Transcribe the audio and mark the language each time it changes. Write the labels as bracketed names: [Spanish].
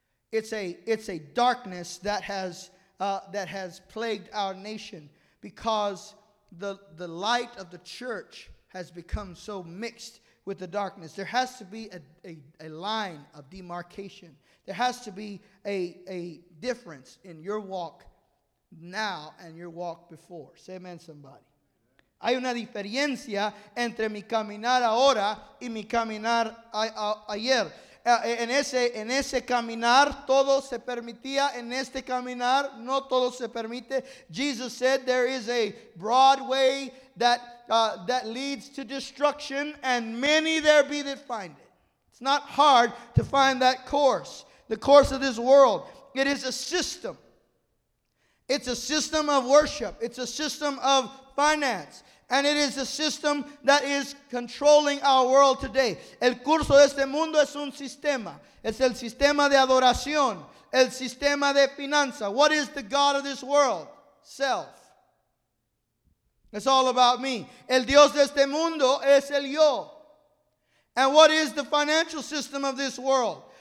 [English] It's a darkness that has plagued our nation because the light of the church has become so mixed with the darkness. There has to be a line of demarcation. There has to be a difference in your walk now and your walk before. Say amen, somebody. [Spanish] Hay una diferencia entre mi caminar ahora y mi caminar ayer. En ese caminar, todo se permitía. En este caminar, no todo se permite. [English] Jesus said there is a broad way that leads to destruction, and many there be that find it. It's not hard to find that course, the course of this world. It is a system. It's a system of worship. It's a system of finance. And it is a system that is controlling our world today. [Spanish] El curso de este mundo es un sistema. Es el sistema de adoración. El sistema de finanza. [English] What is the God of this world? Self. It's all about me. [Spanish] El Dios de este mundo es el yo. [English] And what is the financial system of this world?